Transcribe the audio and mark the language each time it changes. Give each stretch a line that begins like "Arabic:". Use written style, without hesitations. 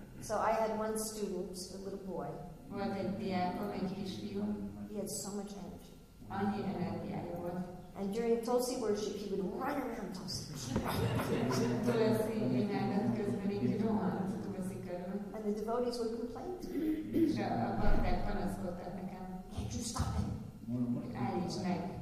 English: So I had one student, a little boy.
Hungarian: Volt egy diákom, egy kisfiú.
English: He had so much energy.
Hungarian: Annyi energiája volt.
English: And during Tulsi worship, he would run around Tulsi. And the devotees would complain to him. Can't you stop it? I